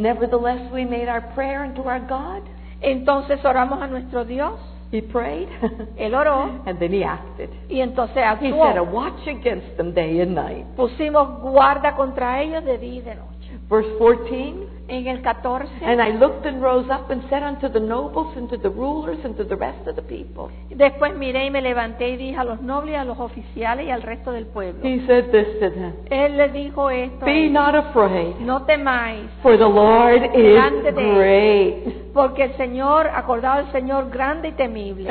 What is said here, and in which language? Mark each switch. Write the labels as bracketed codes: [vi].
[en] Nevertheless, we made our prayer unto our God. [es] Entonces oramos a nuestro Dios. [en] He prayed. [es] Él oró. [en] And then he acted. [es] Y entonces actuó. [en] He set a watch against them day and night. [es] Pusimos guarda contra ellos de día y de noche. [en] Verse 14. [es] En el 14. [en] And I looked and rose up and said unto the nobles and to the rulers and to the rest of the people. [es] Después miré y me levanté y dije a los nobles, a los oficiales y al resto del pueblo. [en] He said this to them. [es] Él le dijo esto. [en] Be not afraid. [es] No temáis. [en] For the Lord is great. [es] Porque el Señor, acordado el Señor, grande y temible.